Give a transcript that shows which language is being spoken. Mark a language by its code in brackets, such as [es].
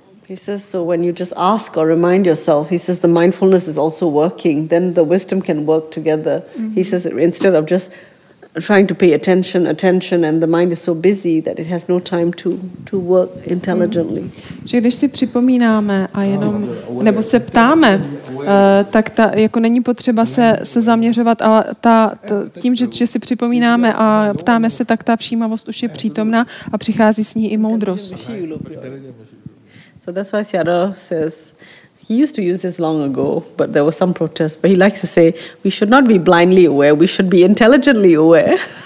[en] He says, so when you just ask or remind yourself, he says the mindfulness is also working, then the wisdom can work together. He says, instead of just trying to pay attention, and the mind is so busy that it has no time to work intelligently. [cs] Že když si připomínáme a jenom, nebo se ptáme, tak ta, jako není potřeba se zaměřovat, ale tím, že si připomínáme a ptáme se, tak ta všímavost už je přítomná a přichází s ní i moudrost. [en] So that's why Siara says, he used to use this long ago, but there was some protest. But he likes to say, we should not be blindly aware, we should be intelligently aware.